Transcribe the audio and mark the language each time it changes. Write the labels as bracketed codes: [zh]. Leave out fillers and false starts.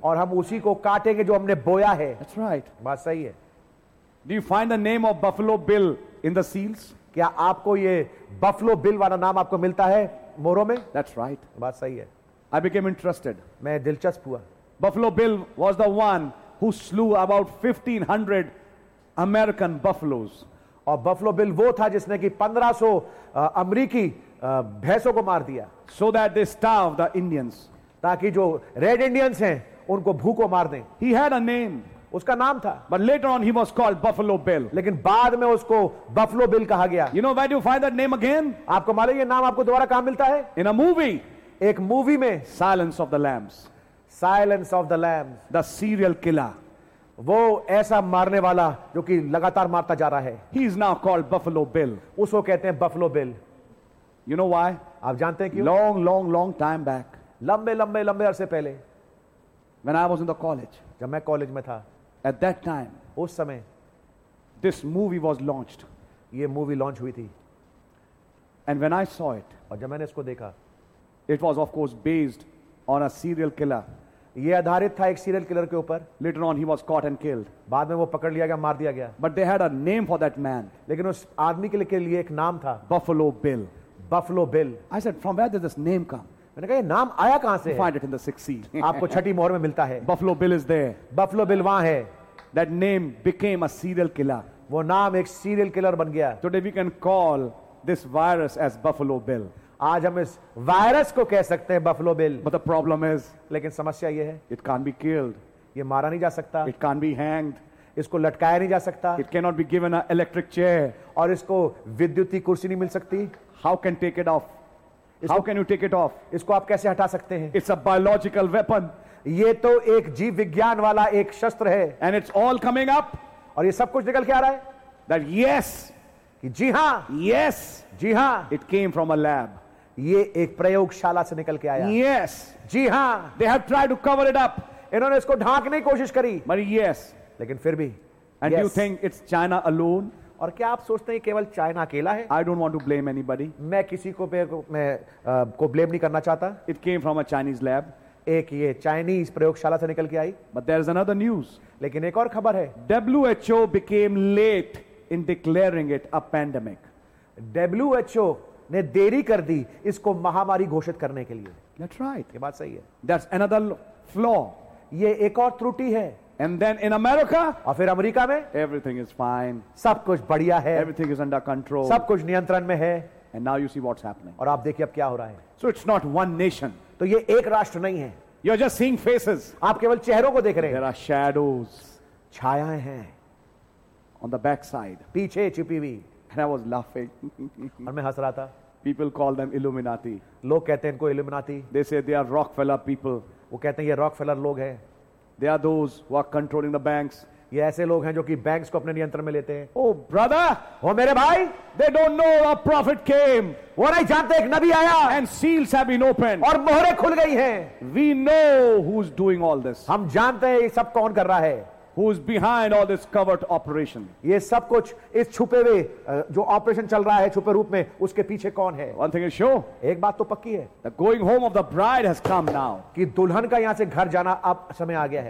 [hi] और हम उसी को काटेंगे जो हमने बोया है. [en] That's right. [hi] बात सही है. [en] Do you find the name of Buffalo Bill in the seals? [hi] क्या आपको ये Buffalo Bill वाला नाम आपको मिलता है मोरों में? [en] That's right. [hi] बात सही है. [en] I became interested. [hi] मैं दिलचस्प हुआ. [en] Buffalo Bill was the one who slew about 1500 American buffaloes. [hi] और Buffalo Bill वो था जिसने कि 1500 अमरीकी भैंसों को मार दिया [en] so that they starve the Indians [hi] ताकि जो रेड इंडियंस हैं उनको भूखों मार दें [en] he had a name [hi] उसका नाम था [en] but later on he was called buffalo bill [hi] लेकिन बाद में उसको buffalo bill कहा गया [en] you know where do you find that name again [hi] आपको मालूम है ये नाम आपको दोबारा कहां मिलता है [en] in a movie [hi] एक मूवी में [en] silence of the lambs silence of the lambs the serial killer [hi] वो ऐसा मारने वाला जो कि लगातार मारता जा रहा है [en] he is now called buffalo bill [hi] उसको कहते हैं buffalo bill [en] you know why [hi] आप जानते हैं क्यों [en] long long long time back [hi] लंबे लंबे लंबे अरसे पहले [en] when I was in the college [hi] जब मैं कॉलेज में था [en] at that time [hi] उस समय [en] this movie was launched [hi] ये मूवी लॉन्च हुई थी [en] and when I saw it [hi] और जब मैंने इसको देखा [en] it was of course based on a serial killer [hi] ये आधारित था एक सीरियल किलर के ऊपर [en] later on he was caught and killed [hi] बाद में वो पकड़ लिया गया मार दिया गया [en] but they had a name for that man [hi] लेकिन उस आदमी के लिए एक नाम था [en] buffalo bill [hi] buffalo bill [en] I said from where did this name come [hi] नाम आया कहां से [en] find it in the sixth seed. [hi] आपको छठी मोहर में मिलता है [en] Buffalo Bill is there. [hi] Buffalo Bill वहां है [en] That name became a serial killer. [hi] वो नाम एक serial killer बन गया [en] Today we can call this virus as Buffalo Bill. [hi] आज हम इस वायरस को कह सकते हैं Buffalo Bill. [en] But the problem is, [hi] लेकिन समस्या ये है [en] It can't be killed. [hi] ये मारा नहीं जा सकता [en] It can't be hanged. [hi] इसको लटकाया नहीं जा सकता [en] It cannot be given an electric chair. [hi] और इसको विद्युती कुर्सी नहीं मिल सकती [en] How can take it off? How can you take it off? [hi] इसको आप कैसे हटा सकते हैं? [en] It's a biological weapon. [hi] ये तो एक जीव विज्ञान वाला एक शस्त्र है. [en] And it's all coming up. [hi] और ये सब कुछ निकल के आ रहा है? [en] That yes. [hi] कि जी हाँ. [en] Yes. [hi] जी हाँ. [en] It came from a lab. [hi] ये एक प्रयोगशाला से निकल के आया. [en] Yes. [hi] जी हाँ. [en] They have tried to cover it up. [hi] इन्होंने इसको ढांकने की कोशिश करी. [en] But yes. [hi] लेकिन फिर भी. [en] And yes. you think it's China alone? [hi] और क्या आप सोचते हैं केवल चाइना अकेला है [en] I don't want to blame anybody [hi] मैं किसी को ब्लेम नहीं करना चाहता [en] it came from a Chinese lab [hi] एक ये चाइनीज प्रयोगशाला से निकल के आई [en] but there is another news [hi] लेकिन एक और खबर है [en] WHO became late in declaring it a pandemic [hi] WHO ने देरी कर दी इसको महामारी घोषित करने के लिए [en] that's right [hi] ये बात सही है [en] that's another flaw [hi] ये एक और त्रुटि है [en] And then in America, [hi] और फिर अमेरिका में [en] everything is fine, [hi] सब कुछ बढ़िया है [en] everything is under control, [hi] सब कुछ नियंत्रण में है [en] and now you see what's happening. [hi] और आप देखिए अब क्या हो रहा है [en] so it's not one nation, [hi] तो ये एक राष्ट्र नहीं है [en] you're just seeing faces, [hi] आप केवल चेहरों को देख रहे हैं [en] there are shadows, [hi] छायाएं हैं [en] on the back side, [hi] पीछे छुपी हुई [en] and I was laughing, [hi] और मैं हंस रहा था [en] people call them Illuminati, [hi] लोग कहते हैं इनको Illuminati, [en] they say they are Rockefeller people, [hi] वो कहते हैं ये Rockefeller लोग हैं [en] They are those who are controlling the banks. [hi] ये ऐसे लोग हैं जो कि banks को अपने नियंत्रण में लेते हैं. [en] Oh brother, [hi] वो मेरे भाई. [en] They don't know a prophet came. [hi] वो नहीं जानते एक नबी आया. [en] And seals have been opened. [hi] और मोहरें खुल गई हैं. [en] We know who's doing all this. [hi] हम जानते हैं ये सब कौन कर रहा है. [en] Who's behind all this covert operation? [hi] ये सब कुछ इस छुपे हुए जो ऑपरेशन चल रहा है छुपे रूप में उसके पीछे कौन है? [en] One thing is sure. [hi] एक बात तो पक्की है. [en] The going home of the bride has come now. [hi] कि दुल्हन का यहाँ से घर जाना अब समय आ गया है.